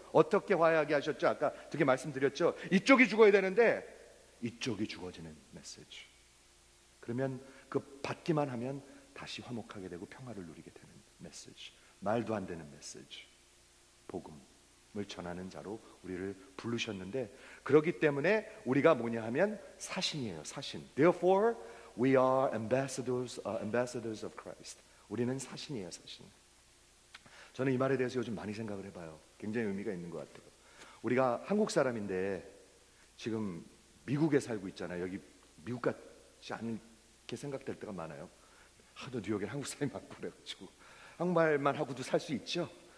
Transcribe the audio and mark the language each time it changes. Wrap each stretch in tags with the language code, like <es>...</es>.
<ko>어떻게 화해하게 하셨죠? 아까 되게 말씀드렸죠? 이쪽이 죽어야 되는데 이쪽이 죽어지는 메시지. 그러면 그 받기만 하면 다시 화목하게 되고 평화를 누리게 되는 메시지. 말도 안 되는 메시지. 복음을 전하는 자로 우리를 부르셨는데 그렇기 때문에 우리가 뭐냐 하면 사신이에요. 사신.</ko> <en>Therefore, we are ambassadors of Christ.</en> <ko>우리는 사신이에요. 사신. 저는 이 말에 대해서 요즘 많이 생각을 해봐요. 굉장히 의미가 있는 것 같아요. 우리가 한국 사람인데 지금 미국에 살고 있잖아요. 여기 미국 같지 않게 생각될 때가 많아요. 하도 뉴욕에 한국 사람이 많고 그래가지고 한국말만 하고도 살 수 있죠.</ko>